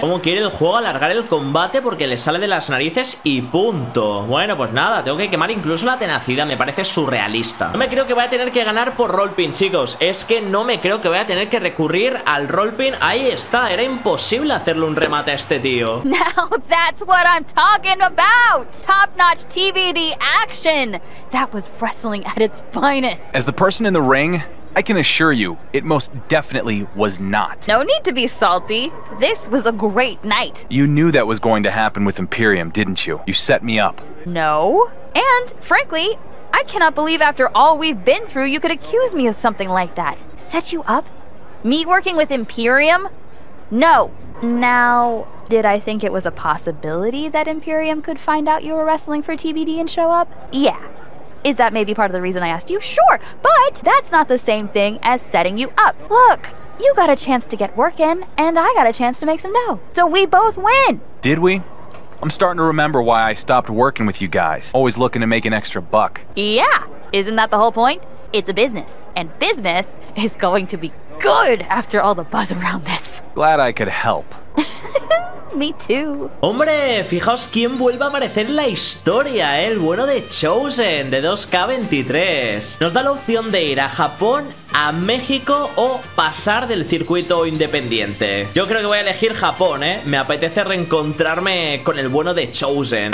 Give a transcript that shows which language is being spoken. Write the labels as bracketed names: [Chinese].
[Spanish] Cómo quiere el juego alargar el combate porque le sale de las narices y punto. Bueno, pues nada, tengo que quemar incluso la tenacidad. Me parece surrealista. No me creo que vaya a tener que ganar por rollpin, chicos. Es que no me creo que vaya a tener que recurrir al rollpin. Ahí está, era imposible hacerle un remate a este tío. [English] Now that's what I'm talking about. Top notch TVD action. That was wrestling at its finest. As the person in the ring, I can assure you, it most definitely was not. No need to be salty. This was a great night. You knew that was going to happen with Imperium, didn't you? You set me up. No. And, frankly, I cannot believe after all we've been through, you could accuse me of something like that. Set you up? Me working with Imperium? No. Now, did I think it was a possibility that Imperium could find out you were wrestling for TBD and show up? Yeah. Is that maybe part of the reason I asked you? Sure, but that's not the same thing as setting you up. Look, you got a chance to get work in, and I got a chance to make some dough. So we both win. Did we? I'm starting to remember why I stopped working with you guys. Always looking to make an extra buck. Yeah, isn't that the whole point? It's a business, and business is going to be good after all the buzz around this. Glad I could help. Me too. [Spanish] Hombre, fijaos quién vuelve a aparecer en la historia, ¿eh? El bueno de Chosen de 2K23. Nos da la opción de ir a Japón, a México o pasar del circuito independiente. Yo creo que voy a elegir Japón, ¿eh? Me apetece reencontrarme con el bueno de Chosen.